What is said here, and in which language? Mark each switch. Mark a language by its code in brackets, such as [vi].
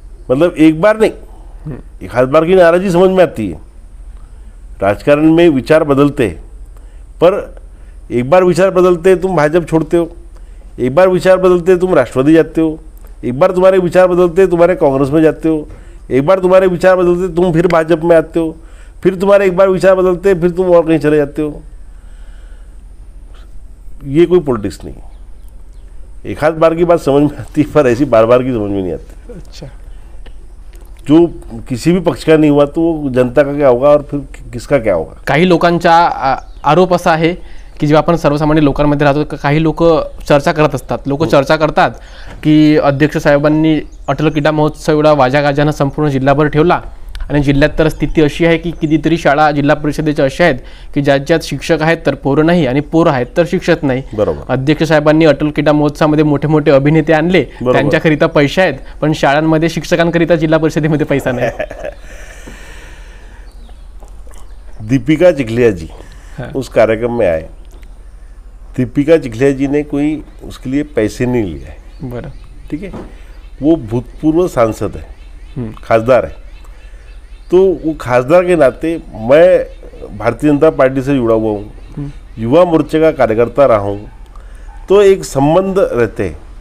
[hi] मतलब एक बार नहीं, एक हाथ बार की नाराजगी समझ में आती है, राजकारण में विचार बदलते हैं, पर एक बार विचार बदलते तुम भाजपा छोड़ते हो, एक बार विचार बदलते तुम राष्ट्रवादी जाते हो, एक बार तुम्हारे विचार बदलते तुम्हारे कांग्रेस में जाते हो, एक बार तुम्हारे विचार बदलते तुम फिर भाजपा में आते हो, फिर तुम्हारे एक बार विचार बदलते फिर तुम और कहीं चले जाते हो। ये कोई पॉलिटिक्स नहीं, एक हाथ बार की बात समझ में आती है पर ऐसी बार बार की समझ में नहीं आती। अच्छा, जो किसी भी पक्ष का नहीं हुआ तो वो जनता का क्या होगा और फिर किसका क्या होगा। [mr] काही लोकांचा आरोप असा आहे की जेव्हा आपण सर्वसामान्य लोकांमध्ये राहतो काही लोक चर्चा करत असतात, लोक चर्चा करतात की अध्यक्ष साहेबांनी अटल क्रीडा महोत्सव एवढा वाजागाजानं संपूर्ण जिल्हाभर ठेवला आणि जिल्ह्यात तर स्थिती अशी आहे की कितीतरी शाळा जिल्हा परिषदेच्या अशा आहेत की ज्यात ज्यात शिक्षक आहेत तर पोरं नाही आणि पोर आहेत तर शिक्षक नाही। बरोबर, अध्यक्ष साहेबांनी अटल क्रीडा महोत्सवामध्ये मोठे मोठे अभिनेते आणले त्यांच्याकरिता पैसे आहेत पण शाळांमध्ये शिक्षकांकरिता जिल्हा परिषदेमध्ये पैसा नाही। [hi] दीपिका चिखलियाजी उस कार्यक्रम में आए, दीपिका चिखलियाजी ने कोई उसके लिए पैसे नहीं लिए है। ठीक है, वो भूतपूर्व सांसद है, खासदार है, तो वो खासदार के नाते मैं भारतीय जनता पार्टी से जुड़ा हुआ हूँ, युवा मोर्चे का कार्यकर्ता रहा हूँ, तो एक संबंध रहते हैं।